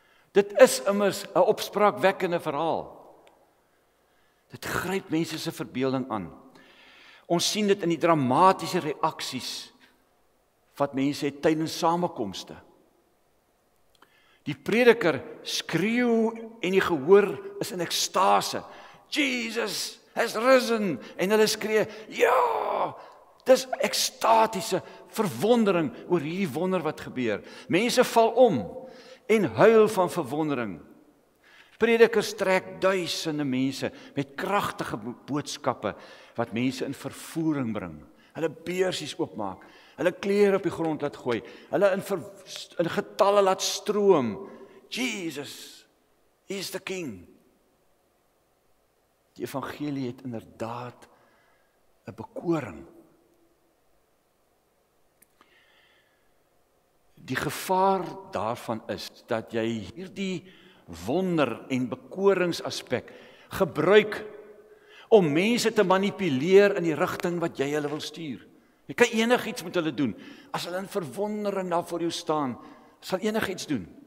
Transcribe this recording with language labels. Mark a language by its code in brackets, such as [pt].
[af] Dit is immers 'n opspraakwekkende verhaal. Dit gryp mense se verbeelding aan. Ons sien dit in die dramatiese reaksies wat mense het tydens samekomste. Die prediker skreeu en die gehoor is in ekstase. [en] Jesus has risen, [af] en hulle skree, ja, dis ekstatiese verwondering oor hierdie wonder wat gebeur. Mense val om en huil van verwondering. Predikers trek duisende mense met kragtige boodskappe wat mense in vervoering bring. Hulle beursies oopmaak, hulle klere op die grond laat gooi, hulle in getalle laat stroom. [en] Jesus, He is the king. [af] Die evangelie het inderdaad een bekoring. Die gevaar daarvan is dat jy hierdie wonder en bekoringsaspek gebruik om mense te manipuleer in die richting wat jy hulle wil stuur. Jy kan enig iets met hulle doen. As hulle in verwondering daar voor jou staan, sal enig iets doen.